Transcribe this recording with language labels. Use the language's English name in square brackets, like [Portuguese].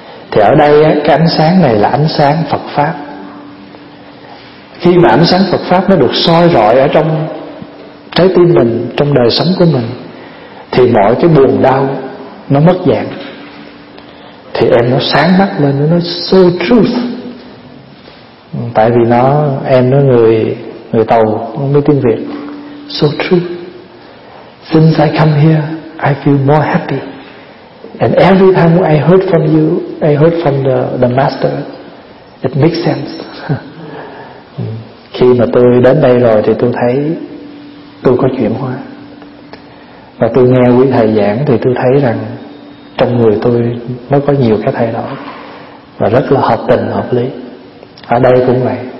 [Vietnamese] Thì ở đây á, cái ánh sáng này là ánh sáng Phật Pháp. Khi mà ánh sáng Phật Pháp nó được soi rọi ở trong trái tim mình, trong đời sống của mình, thì mọi cái buồn đau nó mất dạng. Thì em nó sáng mắt lên, nó nói [English] so truth. [Vietnamese] Tại vì nó, em nó người Tàu, nó mới tiếng Việt. [English] So true. Since I come here, I feel more happy. And every time I heard from you, I heard from the master, it makes sense. [Vietnamese] Khi mà tôi đến đây rồi thì tôi thấy tôi có chuyển hóa. Và tôi nghe quý thầy giảng thì tôi thấy rằng trong người tôi nó có nhiều cái thay đổi, và rất là hợp tình hợp lý. Ở đây cũng vậy.